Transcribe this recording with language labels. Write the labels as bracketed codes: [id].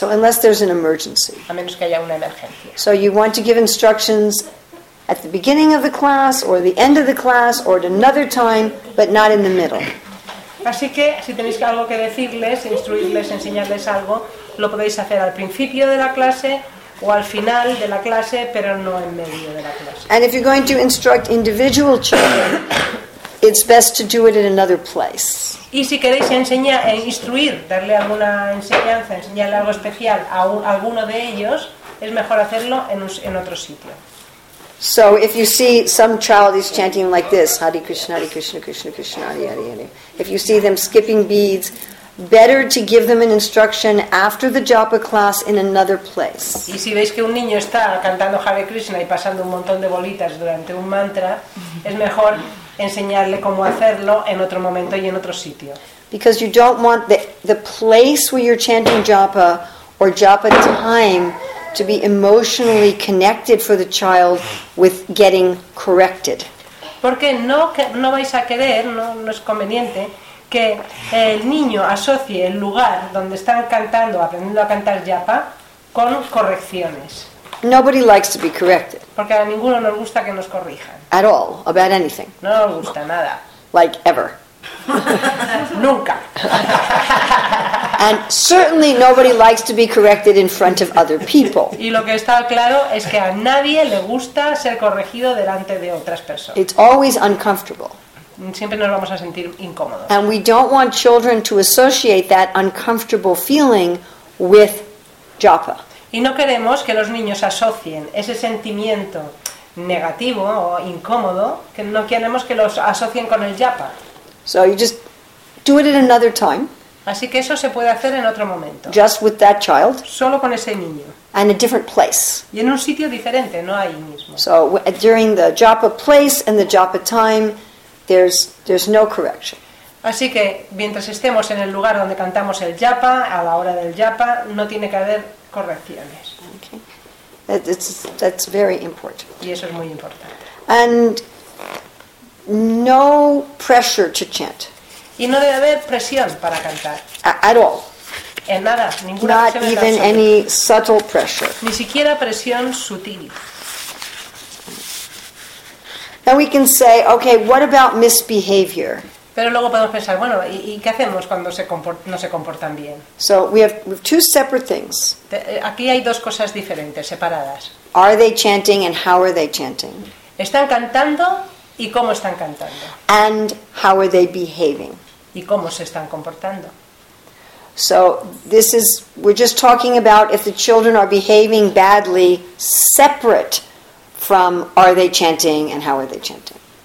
[en] So unless there's an emergency. [es] A menos que haya una emergencia. [en] So you want to give instructions at the beginning of the class or the end of the class or at another time, but not in the middle. [es] Así que si tenéis algo que decirles, instruirles, enseñarles algo, lo podéis hacer al principio de la clase o al final de la clase, pero no en medio de la clase. [en] And if you're going to instruct individual children, it's best to do it in another place. [es] Y si queréis instruir, darle alguna enseñanza, enseñarle algo especial a alguno de ellos, es mejor hacerlo en otro sitio. [en] So if you see some child is chanting like this, Hare Krishna, Hare Krishna, Krishna Krishna, Hare Hare Hare. If you see them skipping beads, better to give them an instruction after the japa class in another place. [es] Y si veis que un niño está cantando Hare Krishna y pasando un montón de bolitas durante un mantra, es mejor enseñarle cómo hacerlo en otro momento y en otro sitio. [en] Because you don't want the place where you're chanting japa or japa time to be emotionally connected for the child with getting corrected. [es] Porque no vais a querer, no es conveniente que el niño asocie el lugar donde están cantando, aprendiendo a cantar japa, con correcciones. [en] Nobody likes to be corrected. [es] Porque a ninguno nos gusta que nos corrijan. [en] At all, about anything. [es] No nos gusta nada. [en] Like ever. [es] Nunca. [en] And certainly nobody likes to be corrected in front of other people. [es] Y lo que está claro es que a nadie le gusta ser corregido delante de otras personas. [en] It's always uncomfortable. [es] Siempre nos vamos a sentir incómodos. [en] And we don't want children to associate that uncomfortable feeling with japa. [es] Y no queremos que los niños asocien ese sentimiento negativo o incómodo, que no queremos que los asocien con el japa. [en] So you just do it at another time. [es] Así que eso se puede hacer en otro momento. [en] Just with that child. [es] Solo con ese niño. [en] And a different place. [es] Y en un sitio diferente, no ahí mismo. [en] So during the japa place and the japa time, there's no correction. [es] Así que mientras estemos en el lugar donde cantamos el japa, a la hora del japa, no tiene que haber correcciones. [en] Okay. That's very important. [es] Y eso es muy importante. [en] And no pressure to chant. [es] Y no debe haber presión para cantar. [en] At all. [es] En nada, ninguna. [en] Not even any subtle pressure. [es] Ni siquiera presión sutil. [en] Now we can say, okay, what about misbehavior? [es] Pero luego podemos pensar, bueno, ¿y qué hacemos cuando no se comportan bien? [en] So we have two separate things. [es] Aquí hay dos cosas diferentes, separadas. [en] Are they chanting and how are they chanting? [es] ¿Están cantando? ¿Y cómo están cantando? [en] And how are they behaving? [es] ¿Y cómo se están comportando? [en] So this is, we're just talking about if the children are behaving badly, separate from are they chanting and how are they chanting.